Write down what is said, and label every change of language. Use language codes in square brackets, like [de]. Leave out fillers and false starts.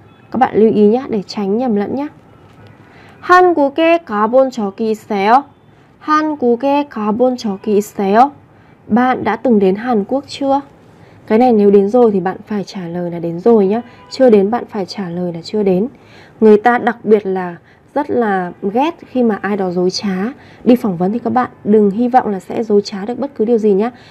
[vi] Các bạn lưu ý nhé, để tránh nhầm lẫn nhé. [ko] 한국에 가본 적이 있어요? 한국에 가본 적이 있어요? [vi] Bạn đã từng đến Hàn Quốc chưa? Cái này nếu đến rồi thì bạn phải trả lời là đến rồi nhé. Chưa đến bạn phải trả lời là chưa đến. Người ta đặc biệt là rất là ghét khi mà ai đó dối trá. Đi phỏng vấn thì các bạn đừng hy vọng là sẽ dối trá được bất cứ điều gì nhé.